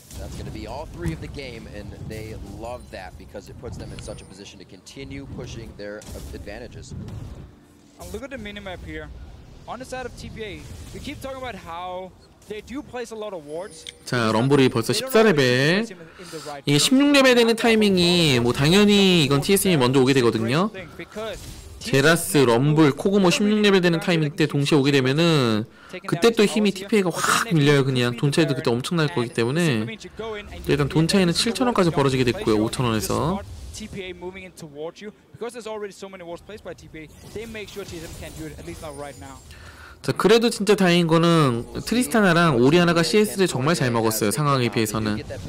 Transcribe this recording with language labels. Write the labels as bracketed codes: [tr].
[en] That's going to be all three of the game, and they love that because it puts them in such a position to continue pushing their advantages. And look at the minimap here. On the side of TPA, we keep talking about how they do place a lot of wards. [ko] 자, 럼블이 벌써 14레벨. 이게 16레벨 되는 타이밍이 뭐 당연히 이건 TSM이 먼저 오게 되거든요. 제라스, 럼블, 코그모 16레벨 되는 타이밍 때 동시에 오게 되면은 그때 또 힘이 TPA가 확 밀려요. 그냥 돈 차이도 그때 엄청날 거기 때문에 일단 돈 차이는 7,000원까지 벌어지게 됐고요. 5,000원에서 [en] TPA moving in towards you because there's already so many wards placed by TPA. They make sure TSM can't do it at least not right now. [ko] 자, 그래도 진짜 다행인 거는 트리스타나랑 오리아나가 CS를 정말 잘 먹었어요. 상황에 비해서는.